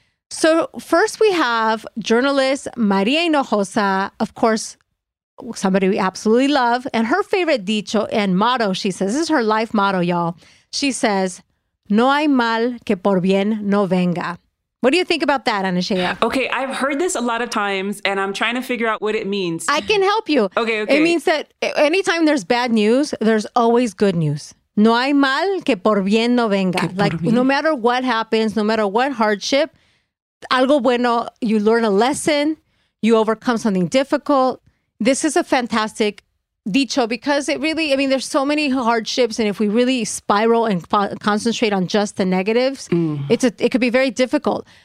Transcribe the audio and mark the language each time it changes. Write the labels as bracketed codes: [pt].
[en] So first we have journalist Maria Hinojosa, of course, somebody we absolutely love, and her favorite dicho and motto, she says, this is her life motto, y'all. She says, [es] no hay mal que por bien no venga. [en] What do you think about that, Ana Sheila? Okay, I've heard this a lot of times, and I'm trying to figure out what it means. I can help you. Okay. It means that anytime there's bad news, there's always good news. [es] No hay mal que por bien no venga. [en] Like, no matter what happens, no matter what hardship, [es] algo bueno, [en] you learn a lesson, you overcome something difficult. This is a fantastic dicho because it really, I mean, there's so many hardships. And if we really spiral and concentrate on just the negatives, it could be very difficult.